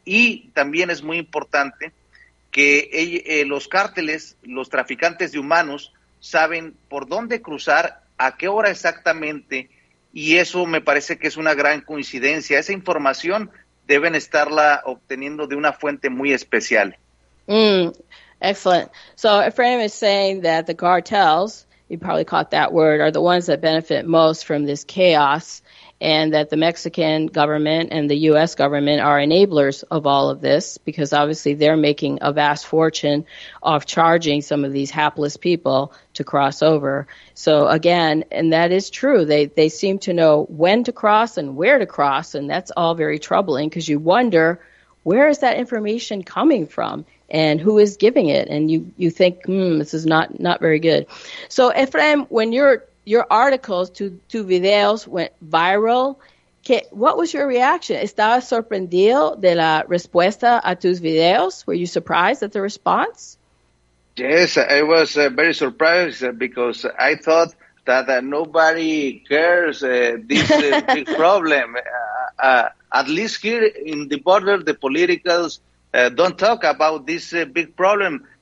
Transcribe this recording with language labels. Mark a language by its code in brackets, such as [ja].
[es] Y también es muy importante que los cárteles, los traficantes de humanos, saben por dónde cruzar, a qué hora exactamente, y eso me parece que es una gran coincidencia. Esa información deben estarla obteniendo de una fuente muy especial. [en] Excellent. So a friend is saying that the cartels, you probably caught that word, are the ones that benefit most from this chaos, and that the Mexican government and the U.S. government are enablers of all of this, because obviously they're making a vast fortune off charging some of these hapless people to cross over. So again, and that is true, they seem to know when to cross and where to cross, and that's all very troubling, because you wonder, where is that information coming from? And who is giving it? And you think, this is not very good. So Efraim, when your articles to videos went viral, what was your reaction? [es] ¿Estabas sorprendido de la respuesta a tus videos? [en] Were you surprised at the response? Yes, I was very surprised because I thought that nobody cares this big problem. At least here in the border, the politicals don't talk about this big problem.